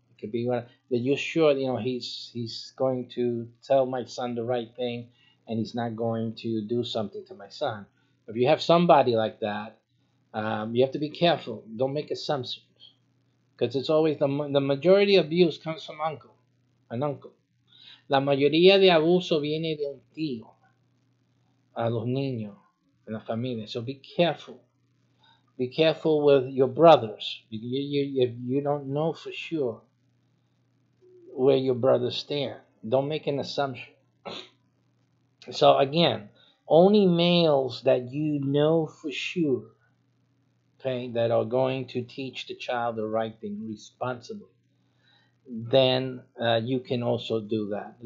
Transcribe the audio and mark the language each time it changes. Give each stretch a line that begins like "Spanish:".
English: Could be one that you're sure, you know, he's going to tell my son the right thing and he's not going to do something to my son. If you have somebody like that, you have to be careful. Don't make assumptions, because it's always the majority of abuse comes from an uncle.
Spanish: La mayoría de abuso viene de un tío a los niños en la familia.
English: So be careful. Be careful with your brothers. If you don't know for sure where your brothers stand, don't make an assumption. So again, only males that you know for sure, okay, that are going to teach the child the right thing responsibly, then you can also do that.